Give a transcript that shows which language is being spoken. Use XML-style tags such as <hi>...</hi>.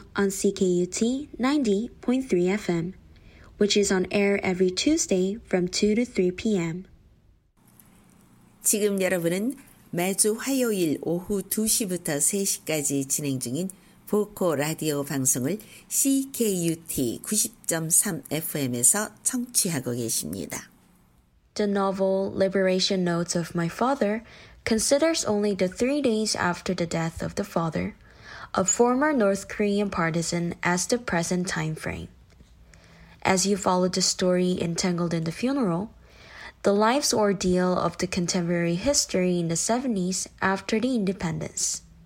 <en>90.3 FM, which is on air every Tuesday from 2 to 3 PM.</en> <ko>지금 여러분은 매주 화요일 오후 2시부터 3시까지 진행 중인 보코 라디오 방송을 CKUT 90.3 FM에서 청취하고 계십니다.</ko> <en>The novel Liberation Notes of My Father considers only the 3 days after the death of the father, a former North Korean partisan, as the present time frame. As you follow the story entangled in the funeral, the life's ordeal of the contemporary history in the 70s after the independence.</en>